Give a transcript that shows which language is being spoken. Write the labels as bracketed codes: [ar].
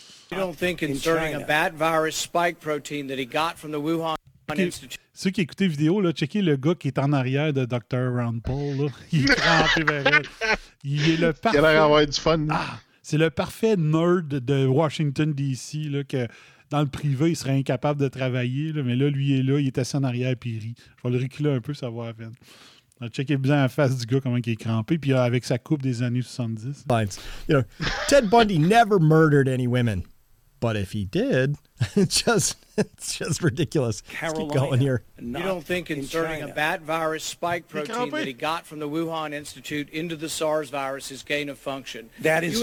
[en] You don't think inserting a bat virus spike protein that he got from the Wuhan Institute. [fr] Ceux qui écoutaient vidéo, là, checkez le gars qui est en arrière de Dr. Ron Paul. Là. Il est crampé vers elle. Il est le parfait. Il a l'air d'avoir du fun. Ah, c'est le parfait nerd de Washington, D.C. Là, que dans le privé, il serait incapable de travailler. Là, mais là, lui, il est là. Il est assis en arrière et il rit. Je vais le reculer un peu, ça va à peine. Checker bien la face du gars, comment il est crampé, puis avec sa coupe des années 70. [en] You know, Ted Bundy never murdered any women. But if he did, it's just ridiculous. Let's keep going here. You don't think inserting a bat virus spike protein that he got from the Wuhan Institute into the SARS virus is gain of function? That is not.